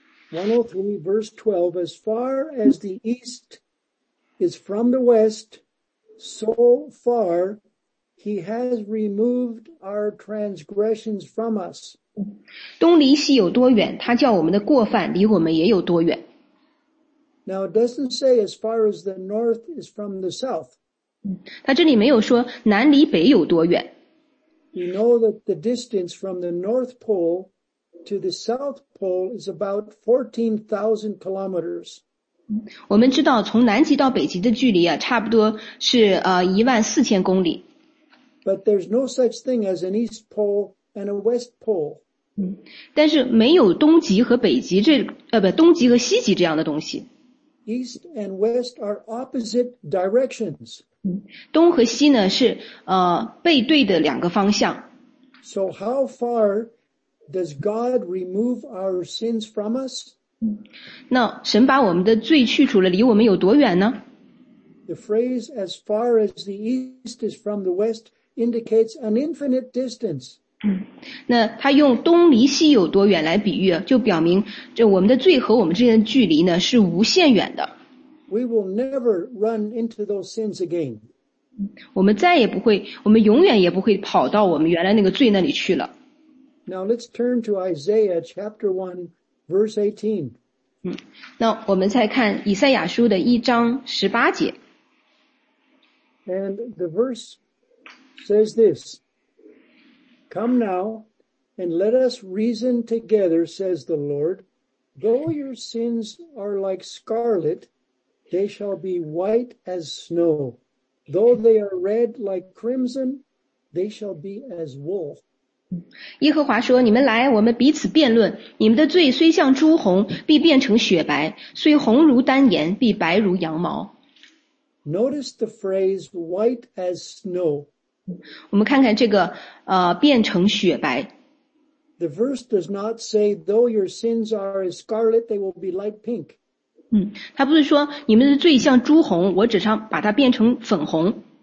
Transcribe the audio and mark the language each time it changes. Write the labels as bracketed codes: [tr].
[en] 103 verse 12, "As far as the east is from the west, so far he has removed our transgressions from us." [zh] 东离西有多远，他叫我们的过犯离我们也有多远。 [en] Now it doesn't say as far as the north is from the south. [zh] 他这里没有说南离北有多远。 [en] We know that the distance from the north pole to the south pole is about 14,000 kilometers. [zh] 我们知道从南极到北极的距离啊，差不多是14,000公里。 [en] But there's no such thing as an east pole and a west pole. [zh] 但是没有东极和北极这东极和西极这样的东西。 [en] East and west are opposite directions. [zh] 东和西呢是背对的两个方向。 [en] So how far does God remove our sins from us? [zh] 那神把我们的罪去除了，离我们有多远呢？ [en] The phrase "as far as the east is from the west" indicates an infinite distance. [zh] 那他用东离西有多远来比喻，就表明这我们的罪和我们之间的距离呢是无限远的。 [en] We will never run into those sins again. [zh] 我们再也不会，我们永远也不会跑到我们原来那个罪那里去了。 [en] Now let's turn to Isaiah chapter 1, verse 18. [zh] 那我们再看以赛亚书的一章十八节。 [en] And the verse says this, Come now, and let us reason together, says the Lord. Though your sins are like scarlet,They shall be white as snow. Though they are red like crimson, they shall be as wool. [zh] 耶和华说，你们来，我们彼此辩论。你们的罪虽像朱红，必变成雪白；虽红如丹颜，必白如羊毛。 [en] Notice the phrase white as snow. [zh] 我们看看这个，变成雪白。 [en] The verse does not say, though your sins are as scarlet, they will be like pink. [zh] 他不是说你们的罪像朱红，我只想把它变成粉红。